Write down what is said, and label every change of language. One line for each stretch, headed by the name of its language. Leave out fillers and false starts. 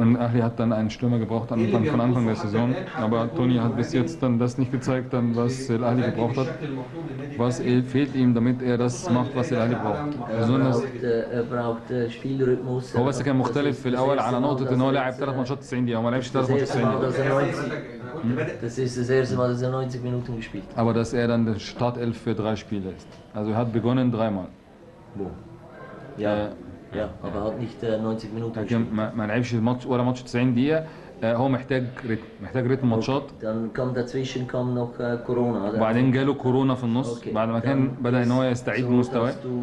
German: Und Ahly hat dann einen Stürmer gebraucht von Anfang der Saison. Aber Toni hat bis jetzt dann das nicht gezeigt, dann, was El Ahly gebraucht hat. Was fehlt ihm, damit er das macht, was El Ahly braucht? Besonders. Er braucht Spielrhythmus.
Arabic: هو بس كان مختلف في الأول على نقطة إن هو لعب ثلاث ماتشات 90 دقيقة وما لعبش ثلاث ماتشات 90 دقيقة.
German: Das ist das erste Mal, dass er 90 Minuten gespielt. Aber dass er dann der Startelf für drei Spiele ist. Also er hat begonnen dreimal. Wo? Ja. Ja, aber hat nicht 90 Minuten gespielt. Man lebt ein Match oder Match 90 Dia.
Arabic: هو محتاج ريتم، محتاج ريتم ماتشات. وبعدين جاله كورونا في النص بعد ما كان بدا ان هو يستعيد مستواه.